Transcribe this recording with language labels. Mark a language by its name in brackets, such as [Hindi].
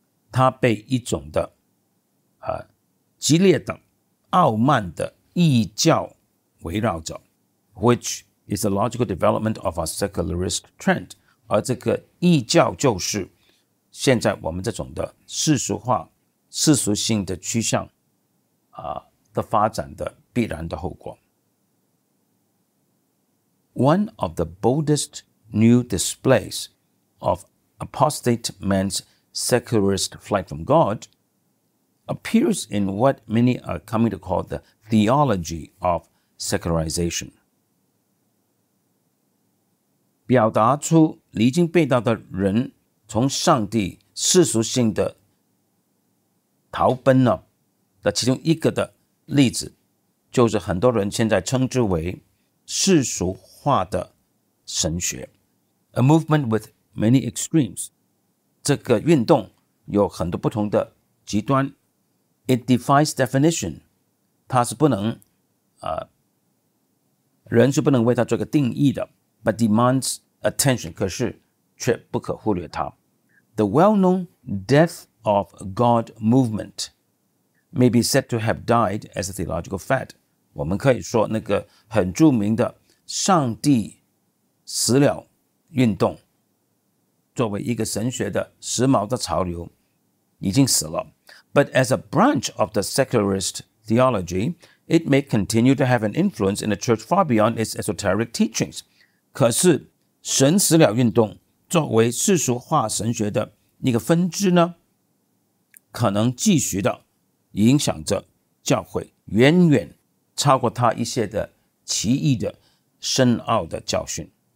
[Chinese] 他被一种的激烈的傲慢的异教围绕着， [English] which is a logical development of our secularist trend. [Chinese] 而这个异教就是现在我们这种的世俗化、世俗性的趋向的发展的必然的后果。 [English] One of the boldest new displays of apostate man's secularist flight from God appears in what many are coming to call the theology of secularization. [Chinese] 表达出离经背道的人从上帝世俗性的逃奔了的其中一个的例子，就是很多人现在称之为世俗化的神学 [English] A movement with many extremes. [Chinese] 这个运动有很多不同的极端 [English] It defies definition. [Chinese] 它是不能人是不能为它做个定义的 [English] But demands attention, [Chinese] 可是却不可忽略它。 [English] The well-known death of God movement may be said to have died as a theological fad. [Chinese] 我们可以说那个很著名的上帝死了运动作为一个神学的时髦的潮流已经死了。 [English] But as a branch of the secularist theology, it may continue to have an influence in the church far beyond its esoteric teachings. [Chinese] 可是神死了运动作为世俗化神学的那个分支呢可能继续的影响着教会远远超过他一些的奇异的深奥的教训。